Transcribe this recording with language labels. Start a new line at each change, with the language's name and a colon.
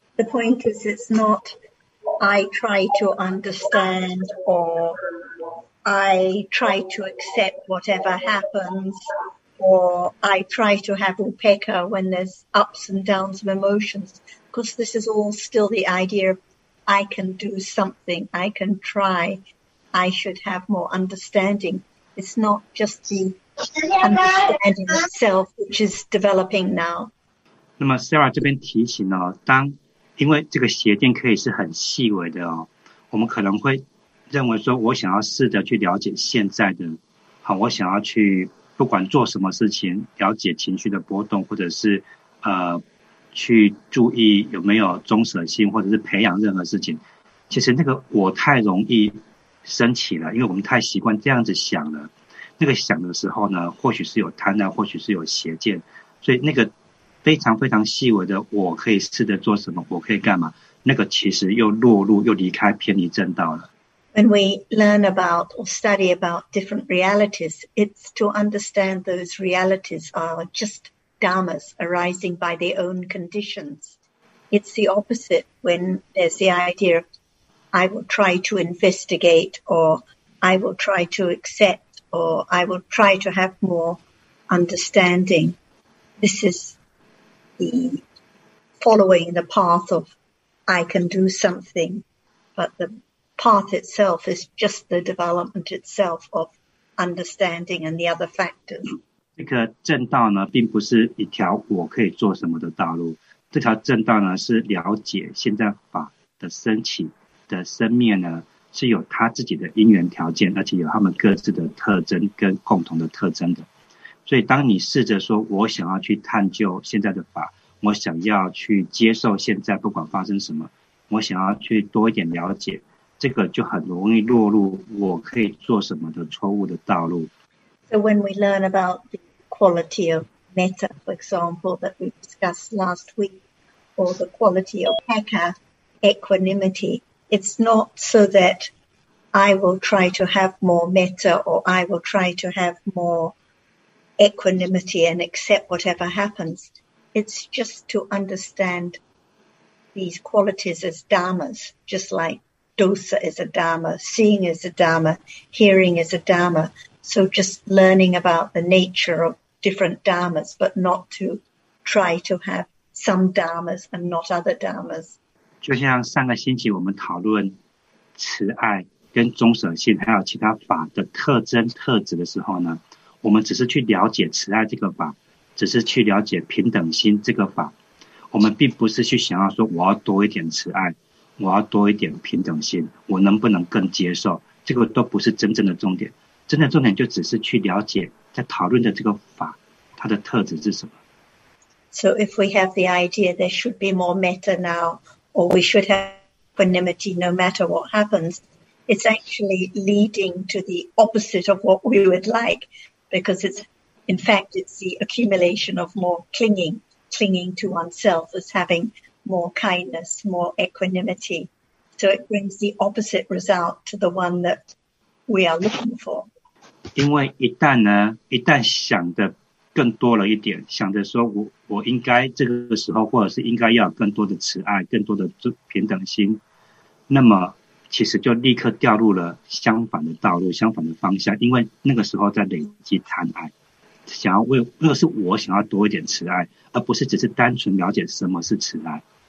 English: The point is, it's not I try to understand or I try to accept whatever happens, or I try to have upekkha when there's ups and downs of emotions, because this is all still the idea of I can do something, I can try, I should have more understanding. It's not just the understanding itself which is developing now.
Chinese: 那么 Sarah 这边提醒了，当因为这个邪见可以是很细微的哦，我们可能会认为说，我想要试着去了解现在的，好，我想要去不管做什么事情，了解情绪的波动，或者是去注意有没有中舍性，或者是培养任何事情。其实那个我太容易升起了，因为我们太习惯这样子想了。那个想的时候呢，或许是有贪婪，或许是有邪见，所以那个非常非常细微的，我可以试着做什么，我可以干嘛，那个其实又落入又离开偏离正道了。
English: When we learn about or study about different realities, it's to understand those realities are just dharmas arising by their own conditions. It's the opposite when there's the idea of I will try to investigate, or I will try to accept, or I will try to have more understanding. This is the following the path of I can do something, but the path itself is just the development itself of understanding and the other factors.
Chinese: 这个正道呢，并不是一条我可以做什么的道路。这条正道呢，是了解现在法的升起的生灭呢，是有它自己的因缘条件，而且有它们各自的特征跟共同的特征的。所以，当你试着说我想要去探究现在的法，我想要去接受现在不管发生什么，我想要去多一点了解。这个就很容易落入我可以做什么的错误的道路。
English: So when we learn about the quality of metta, for example, that we discussed last week, or the quality of pekka, equanimity, it's not so that I will try to have more metta or I will try to have more equanimity and accept whatever happens. It's just to understand these qualities as dharmas, just like dosa is a dharma, seeing is a dharma, hearing is a dharma. So just learning about the nature of different dharmas, but not to try to have some dharmas and not other dharmas.
Chinese: 就像上个星期我们讨论慈爱跟中舍性还有其他法的特征特质的时候呢，我们只是去了解慈爱这个法，只是去了解平等心这个法，我们并不是去想要说我要多一点慈爱，我要多一点平等心，我能不能更接受，这个都不是真正的重点。真的重点就只是去了解在讨论的这个法它的特质是什么。
English: So if we have the idea there should be more metta now, or we should have equanimity no matter what happens, it's actually leading to the opposite of what we would like, because it's, in fact, it's the accumulation of more clinging to oneself as having more kindness, more equanimity. So it brings the opposite result to the one that we are looking for.
Chinese: 因为一旦呢，一旦想的更多了一点，想着说我应该这个时候，或者是应该要有更多的慈爱，更多的平等心，那么其实就立刻掉入了相反的道路，相反的方向。因为那个时候在累积贪爱，想要为那个是我想要多一点慈爱，而不是只是单纯了解什么是慈爱。